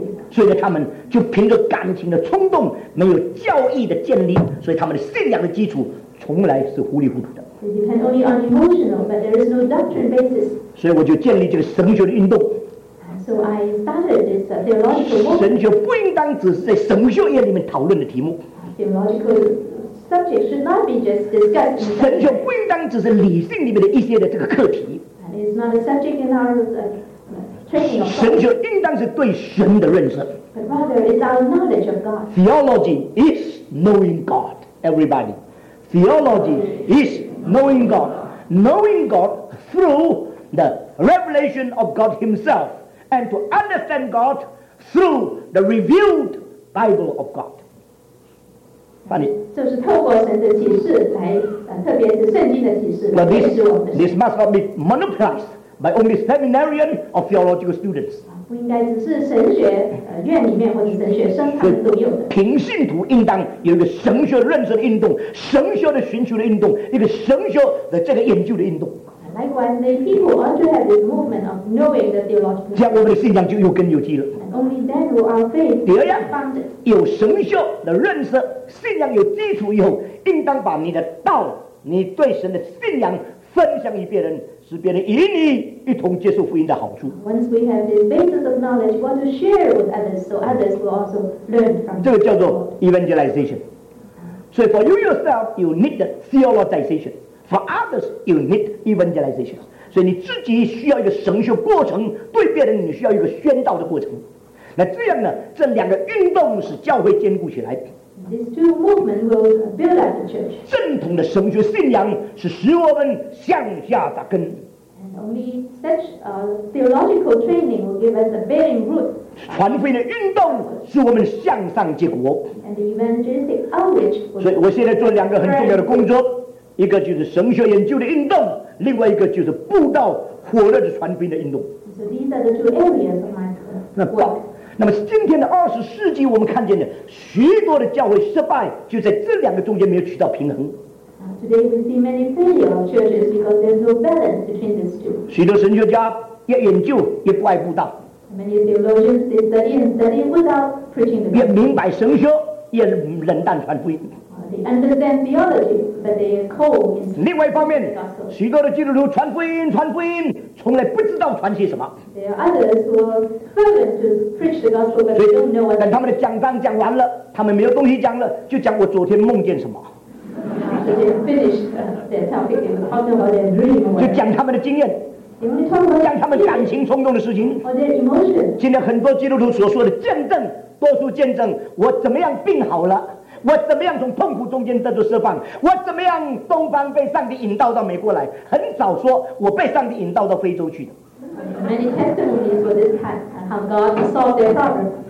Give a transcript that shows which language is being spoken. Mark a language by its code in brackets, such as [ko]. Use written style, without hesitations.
[zh] 所以呢，他们就凭着感情的冲动，没有教义的建立，所以他们的信仰的基础从来是糊里糊涂的。 [en] They depend only on emotional, but there is no doctrine basis. [zh] 所以我就建立这个神学的运动。 [en] So I started this theological movement. [zh] 神学不应当只是在神学院里面讨论的题目。 [en] Theological subject should not be just discussed. [zh] 神学不应当只是理性里面的一些的这个课题。 [en] And it's not a subject in our training. [zh] 神学应当是对神的认识。 [en] But rather, it's our knowledge of God. Theology is knowing God, everybody. Theology is knowing God, knowing God through the revelation of God Himself, and to understand God through the revealed Bible of God. [zh] 翻译就是透过神的启示来，特别是圣经的启示。 [en] But this must not be monopolized by only seminarian or theological students. [zh] 不应该只是神学院里面或者神学生他们都有的。平信徒应当有一个神学认识的运动，神学的寻求的运动，一个神学的这个研究的运动。 [en] Likewise, the people ought to have this movement of knowing the theological. [zh] 这样我们的信仰就有根有基了。 [en] And only then will our faith be founded. [zh] 有神学的认识，信仰有基础以后，应当把你的道，你对神的信仰分享于别人。使别人与你一同接受福音的好处。 [en] Once we have this basis of knowledge, we want to share with others, so others will also learn from. [zh] 这个叫做 evangelization. [en] So for you yourself, you need the theologization. For others, you need evangelization. [zh] 所以你自己需要一个神学过程，对别人你需要一个宣道的过程。那这样呢，这两个运动使教会坚固起来。 [en] These two movements will build up the church. [zh] 正统的神学信仰是使我们向下扎根。 [en] And only such theological training will give us a bearing root. [zh] 传福音的运动使我们向上结果。 [en] And the evangelistic outreach. [zh] 所以我现在做两个很重要的工作，一个就是神学研究的运动，另外一个就是布道火热的传福音的运动。 [en] So these are the two areas of my work. [zh] 那么今天的二十世纪，我们看见的许多的教会失败，就在这两个中间没有取到平衡。 [en] Today we see many failure of churches because there's no balance between these two. [zh] 许多神学家也研究，也不爱布道。 [en] Many theologians they study without preaching the gospel. [zh] 也明白神学，也冷淡传福音。 [en] They understand theology, but they are cold. [zh] 另外一方面，许多的基督徒传福音，传福音。从来不知道传些什么。 [en] There are others who are fervent to preach the gospel, but don't know what. [zh] 他们的讲章讲完了，他们没有东西讲了，就讲我昨天梦见什么。 [en] They finished their topic and talking about their dream. [zh] 就讲他们的经验。讲他们感情冲动的事情。 [en] Or their emotions. [zh] 今天很多基督徒所说的见证，多数见证我怎么样病好了。我怎么样从痛苦中间得到释放？我怎么样东方被上帝引导到美国来？很少说我被上帝引导到非洲去的。 [en] Many testimonies for this time, how God solved their problem.